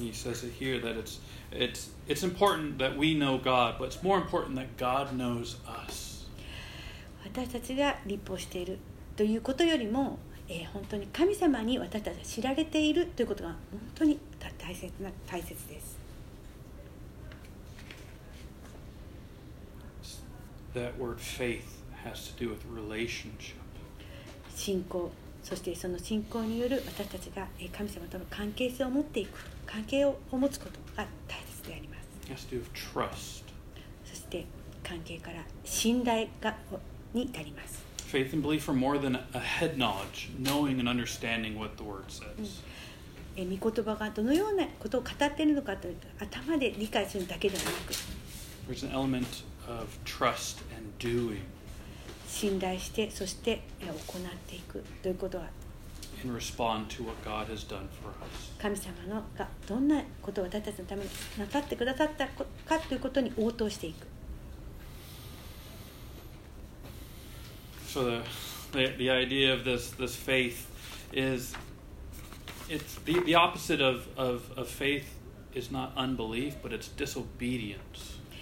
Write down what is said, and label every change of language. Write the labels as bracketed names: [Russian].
[English] He says it here that it's important that we know God, but it's more important that God knows us. [Japanese] 私たちが律法しているということよりも、本当に神様に私たちが知られているということが本当に大切です。 [English] That word faith has to do with relationship. [Japanese] 信仰、そしてその信仰による私たちが神様との関係性を持っていく、関係を持つことが大切。 [English] It has to do with trust. [Japanese] そして関係から信頼がに至ります。 [English] Faith and belief are more than a head knowledge, knowing and understanding what the word says. [Japanese] 御言葉がどのようなことを語っているのかというと、頭で理解するだけではなく、 [English] There's an element of trust and doing. [Japanese] 信頼して、そして行っていくということは、 [English] And respond to what God has done for us. [Japanese] 神様のがどんなことを私たちのためになさってくださったかということに応答していく。 [English] So the idea of this faith is it's the opposite of faith is not unbelief, but it's disobedience.